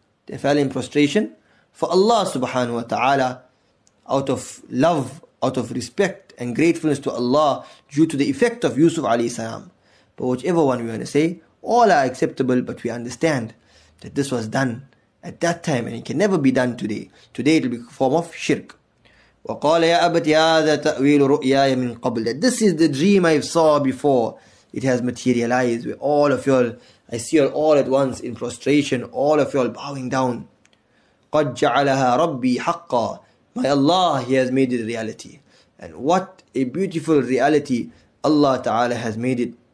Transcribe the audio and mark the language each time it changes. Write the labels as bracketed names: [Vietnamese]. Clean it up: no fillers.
[English] They fell in prostration for Allah subhanahu wa ta'ala out of love, out of respect and gratefulness to Allah due to the effect of Yusuf alayhi salam. But whichever one we want to say, all are acceptable, but we understand that this was done at that time and it can never be done today. Today it will be a form of shirk. [Arabic] وَقَالَ يَا أَبَتْ يَا ذَا تَأْوِيلُ رُؤْيَايَ مِنْ قَبْلِ, [English] that this is the dream I saw before. It has materialized with all of y'all. I see y'all all at once in prostration, all of y'all bowing down. [Arabic] قَدْ جَعَلَهَا رَبِّي حَقَّى, [English] my Allah, He has made it a reality. And what a beautiful reality Allah Ta'ala has made it.